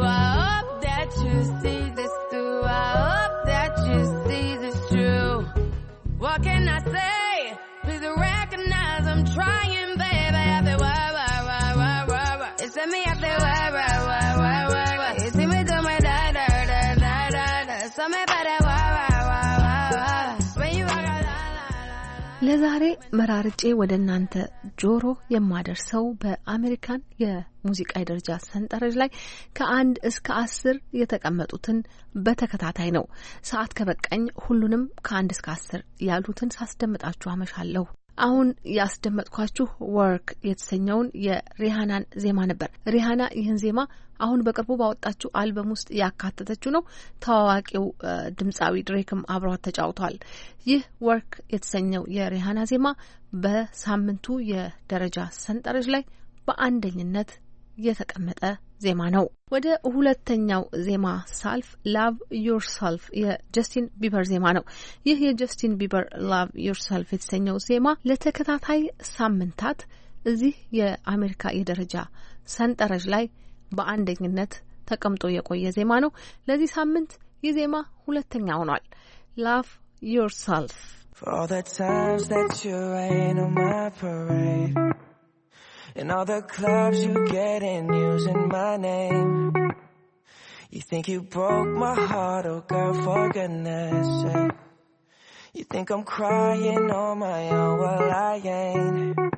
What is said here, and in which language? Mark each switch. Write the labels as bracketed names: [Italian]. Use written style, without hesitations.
[English] I hope that you see this through. I hope that you see this true. What can I say? Please recognize I'm trying, baby. I say, why, why, why, why, why, why? It's me, I say, why, why, why, why, why, why? You see me do my da, da, da, da, da, da. So me by that, why, why, why, why, why? [Amharic] ለዛሬ መራርጬ ወደ እናንተ ጆሮ የማደርሰው በአሜሪካን የሙዚቃ ደረጃ ሰንጠረዥ ላይ ከአንድ እስከ 10 የተቀመጡትን በተከታታይ ነው። ሰዓት ከበቃኝ ሁሉንም ከአንድ እስከ 10 ያሉትን ሳስደምጣችሁ አመሻለሁ። አሁን ያስደምጥኳችሁ ወርክ የተሰኘውን የሪሃናን ዜማ ነበር። ሪሃና ይህን ዜማ አሁን በቅርቡ ባወጣችው አልበም ውስጥ ያካተተችው ነው። ታዋቂው ድምጻዊ ድሬክም አብሯት ተጫውቷል። ይህ ወርክ የተሰኘው የሪሃና ዜማ በሳምንቱ የደረጃ ሰንጠረዥ ላይ በአንደኝነት የተቀመጠ ዜማ ነው። ወደ ሁለተኛው ዜማ ሳልፍ ላቭ ዩርሰልፍ የጀስቲን ቢበር ዜማ ነው። ይህ የጀስቲን ቢበር ላቭ ዩርሰልፍ የተሰኘው ዜማ ለተከታታይ ሳምንታት እዚህ የአሜሪካ የደረጃ ሰንጠረዥ ላይ በአንደኝነት ተቀምጦ የቆየ ዜማ ነው። ለዚህ ሳምንት ይህ ዜማ ሁለተኛ ሆኗል። ላቭ ዩርሰልፍ [English] For all the times that you rain on my parade. And all the clubs you get in using my name. You think you broke my heart, oh girl, for goodness sake. You think I'm crying on my own, well I ain't.